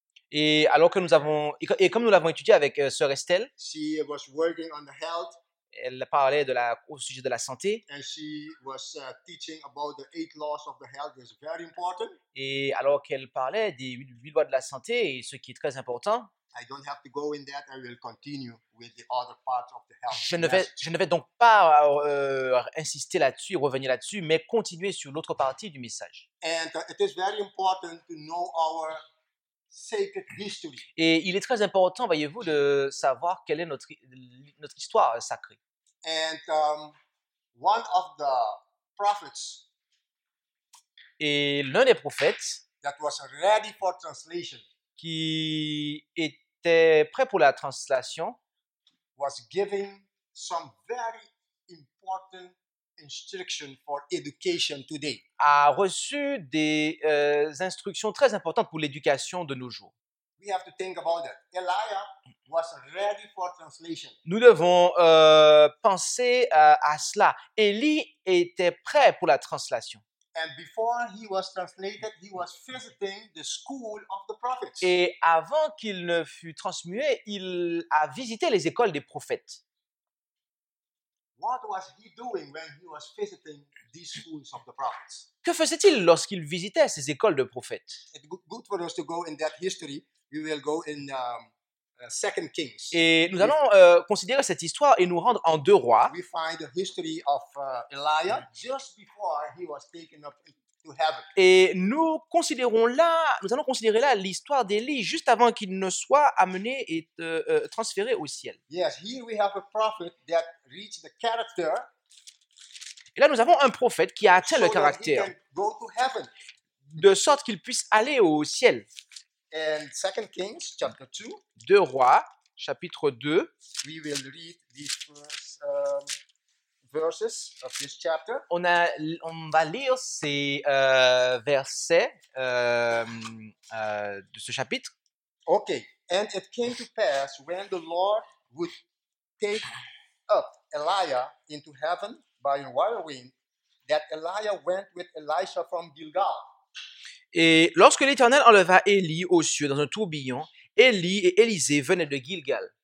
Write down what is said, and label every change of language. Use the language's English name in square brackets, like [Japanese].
[French] Et alors que nous avons et comme nous l'avons étudié avec Sœur Estelle. [English] She was working on the health. [French] Elle parlait de la, au sujet de la santé. [English] And she was teaching about the eight laws of the health. It's very important. [French] Et alors qu'elle parlait des huit lois de la santé et ce qui est très important. [English] I don't have to go in that. I will continue with the other part of the health. [French] Je ne vais donc pas insister là-dessus et revenir là-dessus, mais continuer sur l'autre partie du message. [English] And it is very important to know our sacred history. [French] Et il est très important, voyez-vous, de savoir quelle est notre histoire sacrée. [English] And one of the prophets. [French] Et l'un des prophètes. [English] That was ready for translation. [French] Qui était prêt pour la translation. [English] Was giving some very important instruction for education today. [French] A reçu des instructions très importantes pour l'éducation de nos jours. [English] We have to think about that. Elijah was ready for translation. [French] Nous devons penser à cela. Élie était prêt pour la translation. [English] And before he was translated, he was visiting the school of the prophets. [French] Et avant qu'il ne fût transmué, il a visité les écoles des prophètes. [English] What was he doing when he was visiting these schools of the prophets? [French] Que faisait-il lorsqu'il visitait ces écoles de prophètes? [English] It's good for us to go in that history. We will go in 2 Kings. [French] Et nous allons considérer cette histoire et nous rendre en 2 Rois. [English] We find the history of Elijah just before he was taken up to heaven. [French] Et nous considérons là, nous allons considérer là l'histoire d'Élie juste avant qu'il ne soit amené et transféré au ciel. [English] Yes, here we have a prophet that reached the character. [French] Et là nous avons un prophète qui a atteint le caractère. [English] Go to heaven. [French] De sorte qu'il puisse aller au ciel. [English] And 2 Kings chapter 2. [French] 2 Rois chapitre 2. [English] We will read these first verses of this chapter. [French] On va lire ces versets de ce chapitre. [English] Okay. And it came to pass when the Lord would take up Elijah into heaven by a whirlwind, that Elijah went with Elisha from Gilgal. [French] Et lorsque l'Éternel enleva Élie aux cieux dans un tourbillon, Élie et Élisée venaient de Gilgal.